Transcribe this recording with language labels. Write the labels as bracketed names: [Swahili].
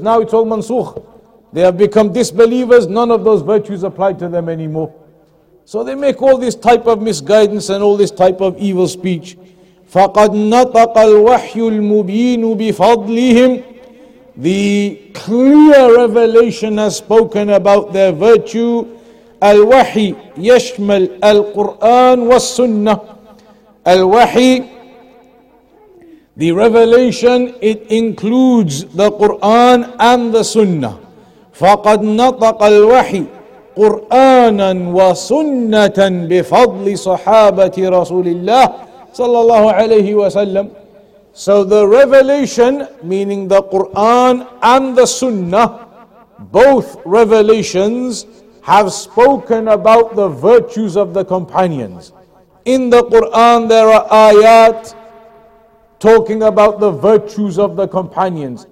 [English] Now it's all mansukh. They have become disbelievers. None of those virtues apply to them anymore. So they make all this type of misguidance and all this type of evil speech. [Arabic] فَقَدْ نَطَقَ الْوَحْيُ الْمُبِينُ بِفَضْلِهِمْ. [English] The clear revelation has spoken about their virtue. [Arabic] الوحي يشمل القرآن والسنة. [English] الوحي, the revelation, it includes the Quran and the Sunnah. [Arabic] فقد نطق الوحي قرآنا وسنة بفضل صحابة رسول الله صلى الله عليه وسلم. [English] So the revelation, meaning the Quran and the Sunnah, both revelations have spoken about the virtues of the companions. In the Quran there are ayat talking about the virtues of the companions.